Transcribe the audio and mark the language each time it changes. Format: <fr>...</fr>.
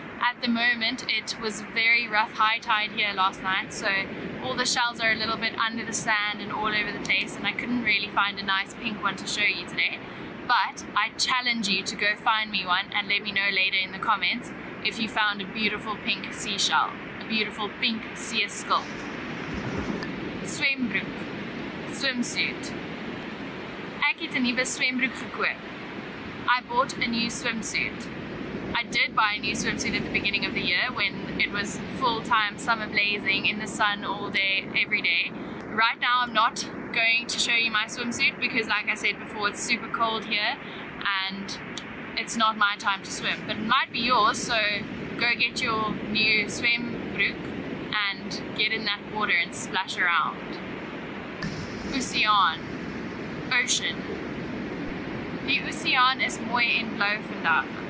<en>At the moment, it was very rough high tide here last night, so all the shells are a little bit under the sand and all over the place, and I couldn't really find a nice pink one to show you today. But I challenge you to go find me one and let me know later in the comments if you found a beautiful pink seashell, a beautiful pink sea skull. Swembroek, swimsuit.</en> <af>Ek het 'n nuwe swembroek gekoop.</af> <en>I bought a new swimsuit. I did buy a new swimsuit at the beginning of the year when it was full-time summer blazing in the sun all day, every day. Right now I'm not going to show you my swimsuit because, like I said before, it's super cold here and it's not my time to swim. But it might be yours, so go get your new swembroek and get in that water and splash around. Oceaan, ocean.</en> <af>Die oceaan is mooi en blauw vandaag.</af>